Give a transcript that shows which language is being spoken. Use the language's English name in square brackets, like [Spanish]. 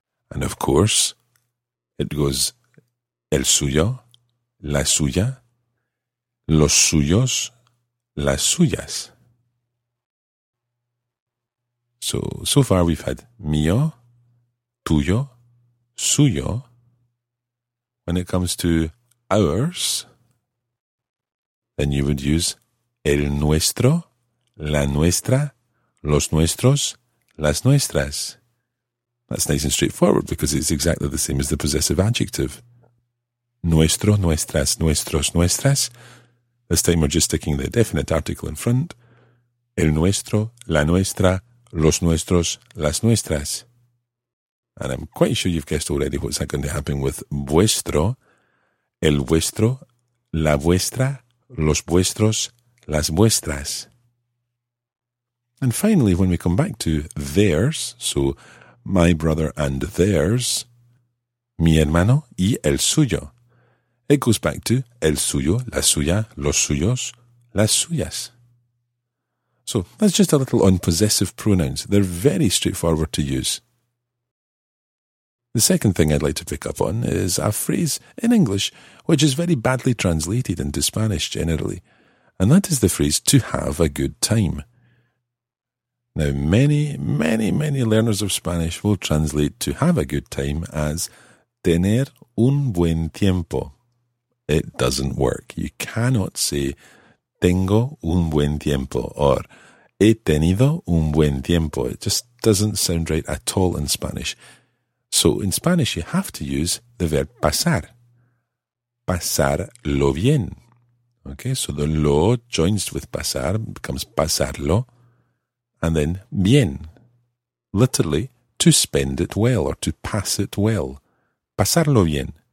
[English] And of course, it goes [Spanish] el suyo, la suya, los suyos, las suyas. [English] So far we've had mío, tuyo, suyo. When it comes to ours, then you would use [Spanish] el nuestro, la nuestra, los nuestros, las nuestras. [English] That's nice and straightforward because it's exactly the same as the possessive adjective. [Spanish] Nuestro, nuestras, nuestros, nuestras. [English] This time we're just sticking the definite article in front. [Spanish] El nuestro, la nuestra, los nuestros, las nuestras. [English] And I'm quite sure you've guessed already what's going to happen with vuestro, [Spanish] el vuestro, la vuestra, los vuestros, las vuestras. [English] And finally, when we come back to theirs, so my brother and theirs, [Spanish] mi hermano y el suyo, [English] it goes back to [Spanish] el suyo, la suya, los suyos, las suyas. [English] So that's just a little on possessive pronouns. They're very straightforward to use. The second thing I'd like to pick up on is a phrase in English which is very badly translated into Spanish generally, and that is the phrase to have a good time. Now, many, many, many learners of Spanish will translate to have a good time as [Spanish] tener un buen tiempo. [English] It doesn't work. You cannot say [Spanish] tengo un buen tiempo or he tenido un buen tiempo. [English] It just doesn't sound right at all in Spanish. So in Spanish, you have to use the verb pasar. [Spanish] Pasarlo bien. [English] Okay, so the lo joins with pasar, becomes pasarlo. And then bien. Literally, to spend it well or to pass it well. [Spanish] Pasarlo bien.